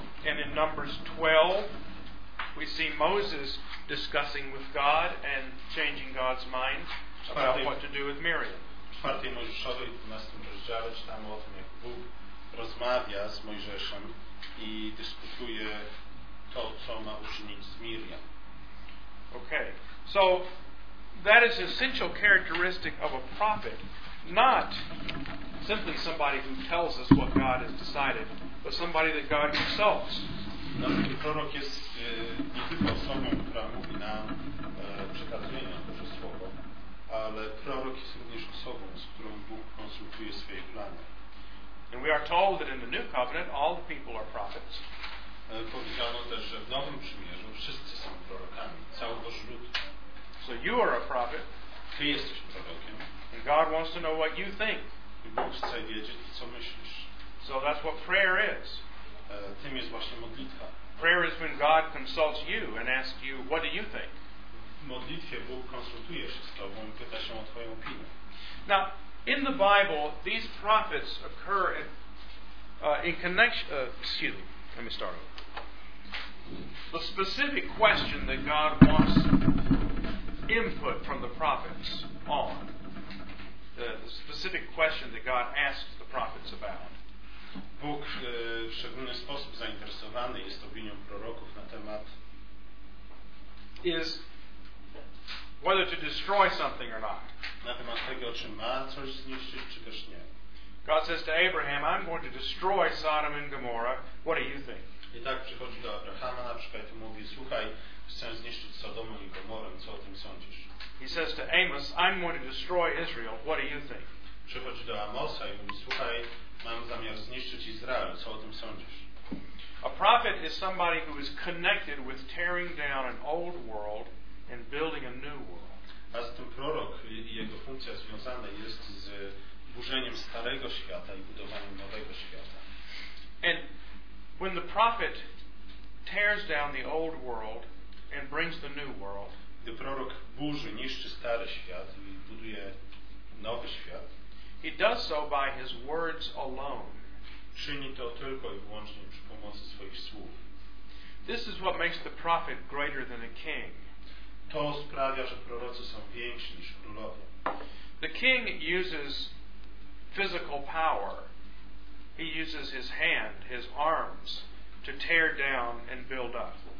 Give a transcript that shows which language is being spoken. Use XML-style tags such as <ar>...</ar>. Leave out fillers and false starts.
<en>And in Numbers 12, we see Moses discussing with God and changing God's mind about what to do with Miriam.</en> <pl>W 4 Mojżeszowej, 12 rozdziale czytamy o tym, jak Bóg rozmawia z Mojżeszem i dyskutuje to, co ma uczynić z Miriam.</pl> <en>Okay. So that is an essential characteristic of a prophet, not simply somebody who tells us what God has decided, but somebody that God consults.</en> <pl>No, prorok jest nie tylko osobą, która mówi nam, przekazuje nam Boże Słowo, ale prorok jest również osobą, z którą Bóg konsultuje swoje plany.</pl> <en>And we are told that in the New Covenant all the people are prophets.</en> <pl>Powiedziano też, że w Nowym Przymierzu wszyscy są prorokami, cały Boży lud.</pl> <en>So you are a prophet.</en> <pl>Ty jesteś prorokiem.</pl> <en>And God wants to know what you think.</en> <pl>I Bóg chce wiedzieć, co myślisz.</pl> <en>So that's what prayer is.</en> <pl>Tym jest właśnie modlitwa.</pl> <en>Prayer is when God consults you and asks you, what do you think?</en> <pl>W modlitwie Bóg konsultuje się z Tobą i pyta się o Twoją opinię.</pl> <en>Now, in the Bible, these prophets occur in connection... let me start over. The specific question that God wants input from the prophets on, the specific question that God asks the prophets about.</en> <pl>Bóg w szczególny sposób zainteresowany jest opinią proroków na temat...</pl> <en>is... whether to destroy something or not.</en> <pl>Na temat tego, czy ma coś zniszczyć, czy też nie.</pl> <en>God says to Abraham, I'm going to destroy Sodom and Gomorrah. What do you think?</en> <pl>I tak przychodzi do Abrahama na przykład i mówi, słuchaj, chcę zniszczyć Sodomę i Gomorę, co o tym sądzisz?</pl> <en>He says to Amos, I'm going to destroy Israel. What do you think?</en> <pl>Przychodzi do Amosa i mówi, słuchaj, mam zamiar zniszczyć Izrael, co o tym sądzisz?</pl> <en>A prophet is somebody who is connected with tearing down an old world and building a new world.</en> <pl>A zatem prorok i jego funkcja związana jest z burzeniem starego świata i budowaniem nowego świata.</pl> <en>And when the prophet tears down the old world and brings the new world,</en> <pl>gdy prorok burzy, niszczy stary świat i buduje nowy świat,</pl> <en>he does so by his words alone.</en> <pl>Czyni to tylko i wyłącznie przy pomocy swoich słów.</pl> <en>This is what makes the prophet greater than a king.</en> <pl>To sprawia, że prorocy są więksi niż królowie.</pl> <en>The king uses physical power. He uses his hand, his arms, to tear down and build up.</en>